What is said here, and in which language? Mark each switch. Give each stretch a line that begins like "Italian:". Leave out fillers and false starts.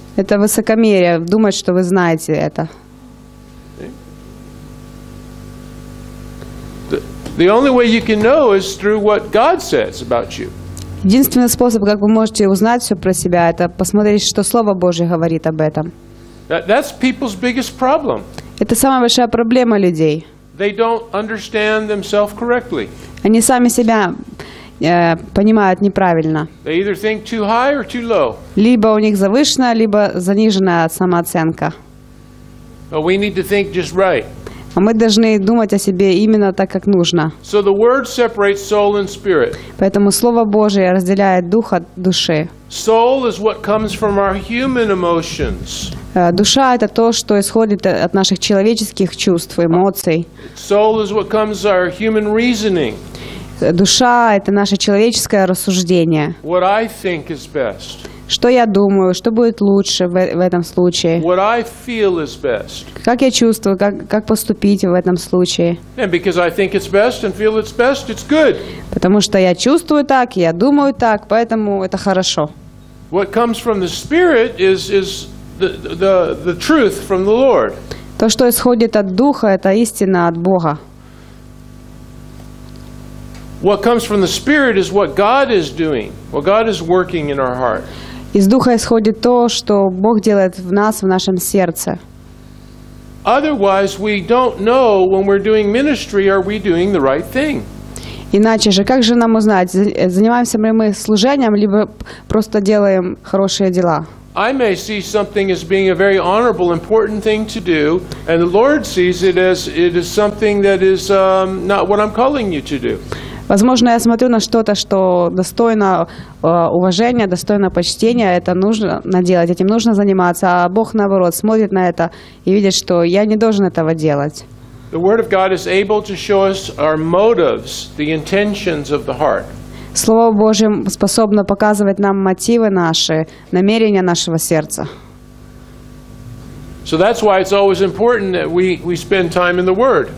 Russian: Это высокомерие, думать, что вы знаете это.
English: The only way you can know is through what God says about you.
Russian: Единственный способ, как вы можете узнать все про себя, это посмотреть, что Слово Божье говорит об этом.
English: That's people's biggest problem.
Russian: Это самая большая проблема людей.
English: They don't understand themselves correctly.
Russian: Они сами себя понимают неправильно.
English: They either think too high or too low.
Russian: Либо у них завышенная, либо заниженная самооценка.
English: But we need to think just right.
Russian: А мы должны думать о себе именно так, как нужно.
English: So the word separates soul and spirit.
Russian: Поэтому Слово Божие разделяет дух от души.
English: Soul is what comes from our human emotions.
Russian: Душа – это то, что исходит от наших человеческих чувств, эмоций.
English: Soul is what comes our human reasoning.
Russian: Душа – это наше человеческое рассуждение.
English: What I think is best.
Russian: Что я думаю, что будет лучше в этом случае?
English: What I feel is best.
Russian: Как я чувствую, как поступить в этом случае?
English: And because I think it's best and feel it's best, it's good.
Russian: Потому что я чувствую так, я думаю так, поэтому это хорошо.
English: What comes from the Spirit is the truth from the Lord.
Russian: То, что исходит от Духа, это истина от Бога.
English: What comes from the Spirit is what God is doing, what God is working in our heart.
Russian: Из Духа исходит то, что Бог делает в нас, в нашем сердце.
English: Otherwise, we don't know when we're doing ministry, are we doing the right thing?
Russian: Иначе же, как же нам узнать, занимаемся ли мы служением, либо просто делаем хорошие дела?
English: I may see something as being a very honorable, important thing to do, and the Lord sees it as it is something that is not what I'm calling you to do.
Russian: Возможно, я смотрю на что-то, что достойно уважения, достойно почтения, это нужно наделать, этим нужно заниматься, а Бог, наоборот, смотрит на это и видит, что я не должен этого делать.
English: The Word of God is able to show us our motives, the intentions of the heart.
Russian: Слово Божье способно показывать нам мотивы наши, намерения нашего сердца.
English: So that's why it's always important that we spend time in the Word.